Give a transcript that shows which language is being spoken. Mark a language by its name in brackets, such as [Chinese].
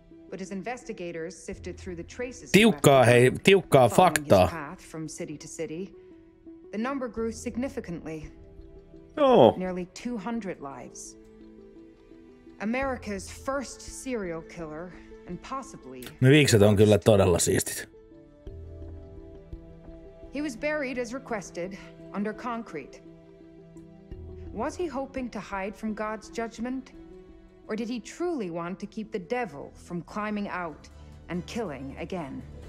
[English] But as investigators sifted through the traces [Finnish] tiukkaa faktaa [English] from city to city, the number grew significantly. Oh. Nearly 200 lives. America's first serial killer and possibly. [Finnish] No, viikset on kyllä todella siistit. [English] He was buried as requested under concrete. Was he hoping to hide from God's judgment? Or did he truly want to keep the devil from climbing out and killing again?